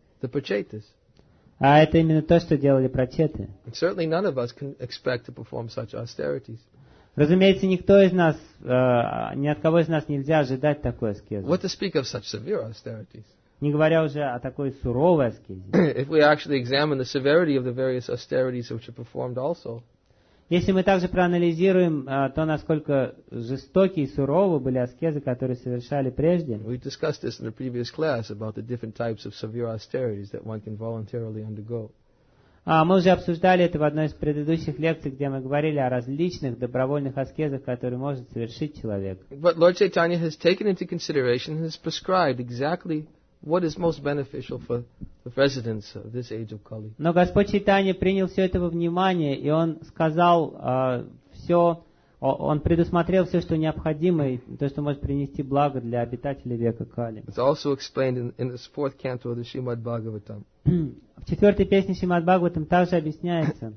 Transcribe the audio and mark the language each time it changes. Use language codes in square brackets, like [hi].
[en] The prachetas. [ru] А это именно то, что делали прачеты. [en] Certainly none of us can expect to perform such austerities. [ru] Разумеется, никто из нас, ни от кого из нас нельзя ожидать такой аскезы. [en] What to speak of such severe austerities? [ru] Не говоря уже о такой суровой аскезе. [en] If we actually examine the severity of the various austerities which are performed also. [ru] Если мы также проанализируем то, насколько жестоки и суровы были аскезы, которые совершали прежде. [en] We discussed this in the previous class about the different types of severe austerities that one can voluntarily undergo. [ru] Мы уже обсуждали это в одной из предыдущих лекций, где мы говорили о различных добровольных аскезах, которые может совершить человек. [en] But Lord Chaitanya has taken into consideration and has prescribed exactly what is most beneficial for the residents of this age of Kali. [ru] Но Господь Чайтанья принял все это во внимание, и Он сказал все, Он предусмотрел все, что необходимо, и то, что может принести благо для обитателей века Кали. [en] It's also explained in the fourth canto of the Srimad Bhagavatam. [ru] В четвертой песне Шримад Бхагаватам также объясняется.